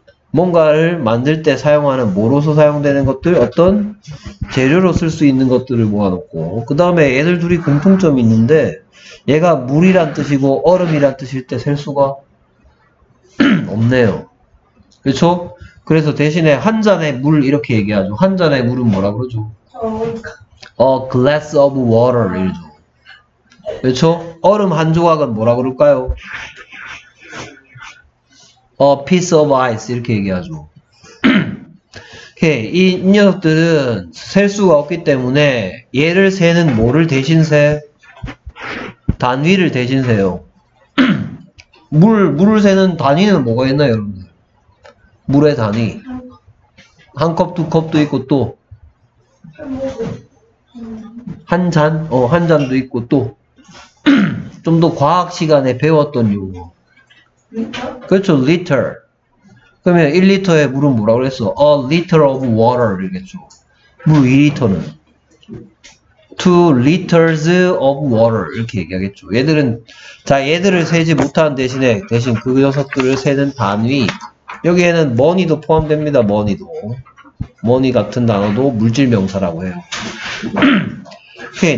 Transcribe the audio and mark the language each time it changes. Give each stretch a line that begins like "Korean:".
Korean: 뭔가를 만들 때 사용하는 뭐로서 사용되는 것들, 어떤 재료로 쓸 수 있는 것들을 모아놓고, 그 다음에 얘들 둘이 공통점이 있는데 얘가 물이란 뜻이고 얼음이란 뜻일 때 셀 수가 없네요. 그렇죠? 그래서 대신에 한 잔의 물 이렇게 얘기하죠. 한 잔의 물은 뭐라 그러죠?
English: A glass of water
Korean: 이러죠. 그렇죠? 얼음 한 조각은 뭐라 그럴까요?
English: A piece of ice
Korean: 이렇게 얘기하죠. 오케이. 이 녀석들은 셀 수가 없기 때문에 얘를 세는 뭐를 대신 세? 단위를 대신 세요. 물을 세는 단위는 뭐가 있나요, 여러분들? 물의 단위. 한 컵, 두 컵도 있고 또 한 잔? 한 잔도 있고 또 좀 더 과학 시간에 배웠던 용어. 그렇죠. liter. 그러면 1리터의 물은 뭐라고 그랬어?
English: A liter of water
Korean: 이겠죠. 물 2리터는
English: 2 liters of water
Korean: 이렇게 얘기하겠죠. 얘들은 자 얘들을 세지 못한 대신 그 녀석들을 세는 단위. 여기에는 money도 포함됩니다. money도. money 같은 단어도 물질 명사라고 해요. 오케이.